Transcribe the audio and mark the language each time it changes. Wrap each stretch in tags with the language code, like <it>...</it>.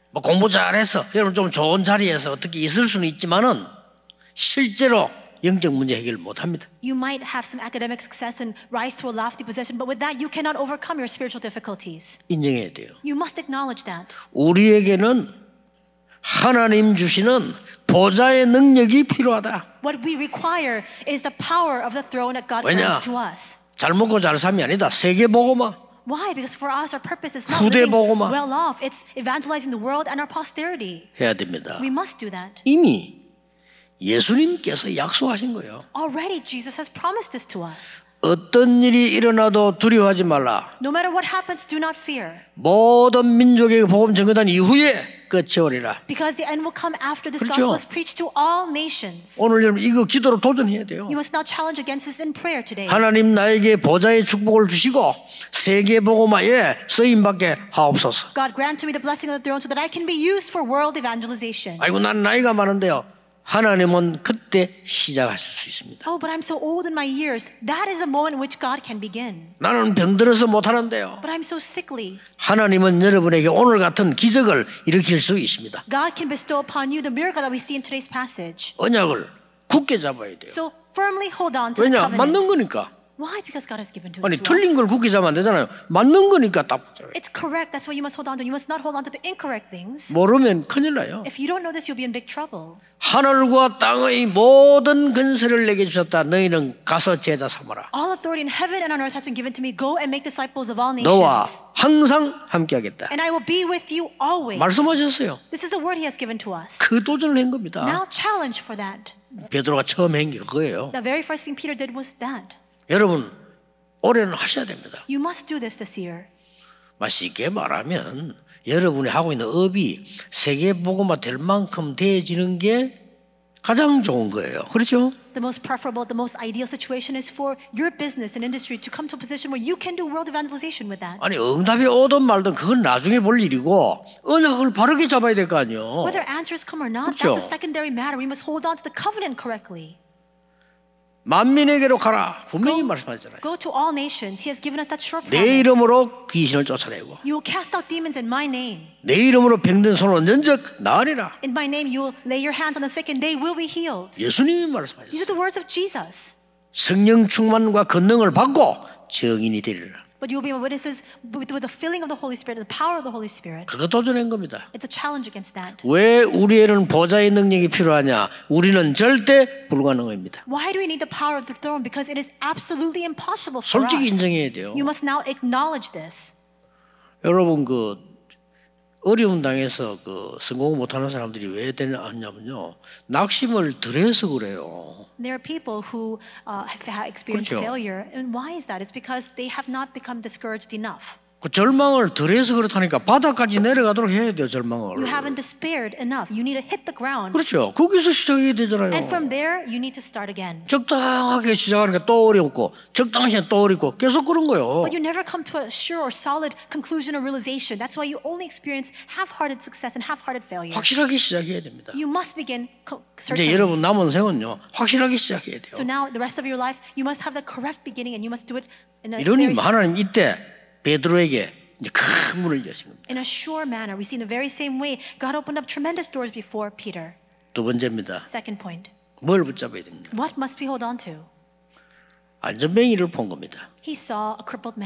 <ko>뭐 공부 잘해서 여러분 좀 좋은 자리에서 어떻게 있을 수는 있지만은 실제로 영적 문제 해결 못 합니다.</ko> <en>You might have some academic success and rise to a lofty position, but with that you cannot overcome your spiritual difficulties.</en> <ko>인정해야 돼요.</ko> <en>You must acknowledge that.</en> <ko>우리에게는 하나님 주시는 보좌의 능력이 필요하다.</ko> <en>What we require is the power of the throne that God grants to us.</en> <ko>잘 먹고 잘 삶이 아니다. 세계 복음화.</ko> <en>Why? Because for us, our purpose is not living well off. It's evangelizing the world and our posterity.</en> <ko>해야 됩니다.</ko> <en>We must do that.</en> <ko>이미 예수님께서 약속하신 거예요.</ko> <en>Already Jesus has promised this to us.</en> <ko>어떤 일이 일어나도 두려워하지 말라.</ko> <en>No matter what happens, do not fear.</en> <ko>모든 민족에게 복음 전거단 이후에 끝이 오리라.</ko> <en>Because the end will come after this</en> <ko>그렇죠.</ko> <en>gospel is preached to all nations.</en> <ko>오늘 여러분 이거 기도로 도전해야 돼요.</ko> <en>You must now challenge against this in prayer today.</en> <ko>하나님 나에게 보좌의 축복을 주시고 세계 복음화에 쓰임받게 하옵소서.</ko> <en>God grant to me the blessing of the throne so that I can be used for world evangelization.</en> <ko>아이고 난 나이가 많은데요. 하나님은 그때 시작하실 수 있습니다.</ko> <en>Oh, but I'm so old in my years. That is a moment which God can begin.</en> <ko>나는 병들어서 못 하는데요.</ko> <en>But I'm so sickly.</en> <ko>하나님은 여러분에게 오늘 같은 기적을 일으킬 수 있습니다.</ko> <en>God can bestow upon you the miracle that we see in today's passage.</en> <ko>언약을 굳게 잡아야 돼요.</ko> <en>So firmly hold on to the covenant.</en> <ko>맞는 거니까.</ko> <en>Why? Because God has given to us.</en> <ko>아니 틀린 걸 굳게 잡으면 안 되잖아요. 맞는 거니까 딱 붙잡아요.</ko> <en>It's correct. That's why you must hold on to. You must not hold on to the incorrect things.</en> <ko>모르면 큰일 나요.</ko> <en>If you don't know this, you'll be in big trouble.</en> <ko>하늘과 땅의 모든 권세를 내게 주셨다. 너희는 가서 제자 삼아라.</ko> <en>All authority in heaven and on earth has been given to me. Go and make disciples of all nations.</en> <ko>너와 항상 함께하겠다.</ko> <en>And I will be with you always.</en> <ko>말씀하셨어요.</ko> <en>This is the word He has given to us.</en> <ko>그 도전을 한 겁니다.</ko> <en>Now challenge for that.</en> <ko>베드로가 처음 한 게 그거예요.</ko> <en>The very first thing Peter did was that.</en> <ko>여러분 올해는 하셔야 됩니다.</ko> <en>You must do this this year.</en> <ko>쉽게 말하면 여러분이 하고 있는 업이 세계복음화 될 만큼 되어지는 게 가장 좋은 거예요. 그렇죠?</ko> <en>The most preferable, the most ideal situation is for your business and industry to come to a position where you can do world evangelization with that.</en> <ko>아니 응답이 오든 말든 그건 나중에 볼 일이고 언약을 바르게 잡아야 될 거 아니에요.</ko> <en>Whether answers come or not,</en> <ko>그렇죠?</ko> <en>that's a secondary matter. We must hold on to the covenant correctly.</en> <ko>만민에게로 가라 분명히 말씀하셨잖아요.</ko> <en>Go to all nations. He has given us that sure promise.</en> <ko>내 이름으로 귀신을 쫓아내고.</ko> <en>You will cast out demons in my name.</en> <ko>내 이름으로 병든 손을 언젠적 나으리라.</ko> <en>In my name, you will lay your hands on the sick and they will be healed.</en> <ko>예수님이 말씀하셨어요.</ko> <en>These are the words of Jesus.</en> <ko>성령 충만과 권능을 받고 증인이 되리라.</ko> <en>But you will be my witnesses with the filling of the Holy Spirit and the power of the Holy Spirit.</en> <ko>그거 도전한 겁니다.</ko> <en>It's a challenge against that.</en> <ko>왜 우리에는 보좌의 능력이 필요하냐? 우리는 절대 불가능합니다.</ko> <en>Why do we need the power of the throne? Because it is absolutely impossible for</en> <ko>솔직히 솔직히 인정해야 돼요.</ko> <en>You must now acknowledge this.</en> <ko>여러분 그 어려움 당해서 그 성공 못하는 사람들이 왜 되는 않냐면요. 낙심을 덜해서 그래요.</ko> <en>There are people who have experienced</en> <ko>그렇죠.</ko> <en>failure. And why is that? It's because they have not become discouraged enough.</en> <ko>그 절망을 덜해서 그렇다니까 바닥까지 내려가도록 해야 돼요, 절망을.</ko> <en>You haven't despaired enough. You need to hit the ground.</en> <ko>그렇죠. 거기서 시작해야 되잖아요.</ko> <en>And from there, you need to start again.</en> <ko>적당하게 시작하니까 또 어렵고 적당하게 또 어렵고 계속 그런 거예요.</ko> <en>But you never come to a sure or solid conclusion or realization. That's why you only experience half-hearted success and half-hearted failure.</en> <ko>확실하게 시작해야 됩니다.</ko> <en>You must begin certain.</en> <ko>이제 여러분 남은 생은요, 확실하게 시작해야 돼요.</ko> <en>So now, the rest of your life, you must have the correct beginning and you must do it in a</en> <ko>이러니 하나님 이때 베드로에게 큰 문을 여신 겁니다.</ko> <en>In a sure manner, we see in the very same way God opened up tremendous doors before Peter.</en> <ko>두 번째입니다.</ko> <en>Second point.</en> <ko>뭘 붙잡아야 됩니다.</ko> <en>What must we hold on to?</en> <ko>안전뱅이를 본 겁니다.</ko> <en>He saw a crippled man.</en>